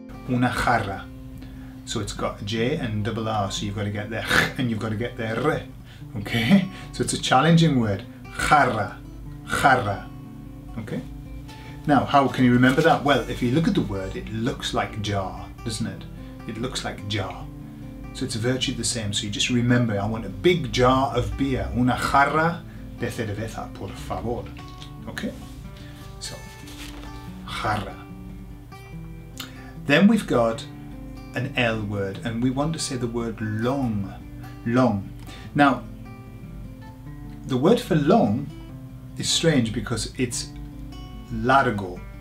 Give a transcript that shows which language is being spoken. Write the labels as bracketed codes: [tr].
[es] Una jarra. [en] So it's got a J and double R, so you've got to get the ch and you've got to get the r, okay? So it's a challenging word, jarra, jarra, okay? Now, how can you remember that? Well, if you look at the word, it looks like jar, doesn't it? It looks like jar. So it's virtually the same. So you just remember, I want a big jar of beer. [es] Una jarra de cerveza, por favor. [en] Okay? So, jarra. Then we've got an L word, and we want to say the word long. Long. Now, the word for long is strange because it's largo.